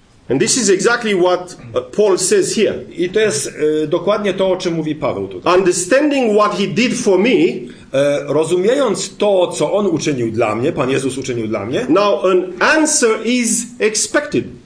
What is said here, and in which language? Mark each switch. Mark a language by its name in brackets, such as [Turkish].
[English] And this is exactly what Paul says here. [Polish] I to jest dokładnie to, o czym mówi Paweł tutaj. [English] Understanding what he did for me. [Polish] Rozumiejąc to, co on uczynił dla mnie, Pan Jezus uczynił dla mnie. [English] Now an answer is expected.